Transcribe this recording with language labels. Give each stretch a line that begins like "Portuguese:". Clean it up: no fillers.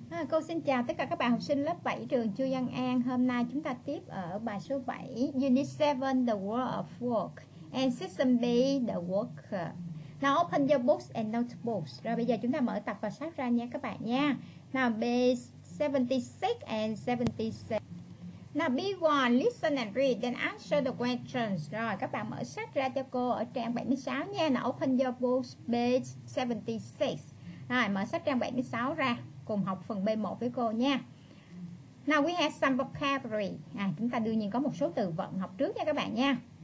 Vietnamese: Cô xin chào tất cả các bạn học sinh lớp 7 trường Chu Văn An. Hôm nay chúng ta tiếp ở bài số 7,
English: Unit 7, The World of Work and System B, The Worker. Now open your books and notebooks.
Vietnamese: Rồi bây giờ chúng ta mở tập và sách ra nha các bạn nha.
English: Now B76 and 77. Now B1, listen and read, then answer the questions.
Vietnamese: Rồi các bạn mở sách ra cho cô ở trang 76 nha.
English: Now open your books, B76.
Vietnamese: Rồi mở sách trang 76 ra cùng học phần B1 với cô nha.
English: Now we have some vocabulary.
Vietnamese: Chúng ta đương nhiên có một số từ vựng học trước nha các bạn nha.